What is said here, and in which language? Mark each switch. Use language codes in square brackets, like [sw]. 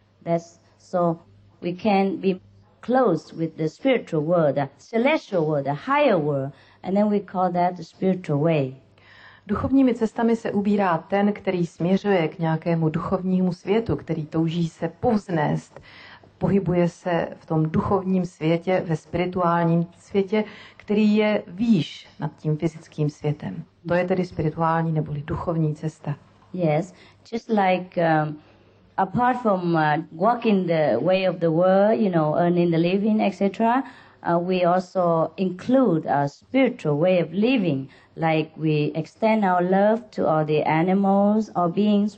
[en] That's so we can be close with the spiritual world, the celestial world, the higher world, and then we call that the spiritual way. [cs] Duchovními cestami se ubírá ten, který směřuje k nějakému duchovnímu světu, který touží se povznést. Pohybuje se v tom duchovním světě, ve spirituálním světě, který je výš nad tím fyzickým světem. To je tedy spirituální neboli duchovní cesta. [en] Yes, just like apart from walking the way of the world, you know, earning the living, etc., we also include a spiritual way of living, like we extend our love to all the animals or beings.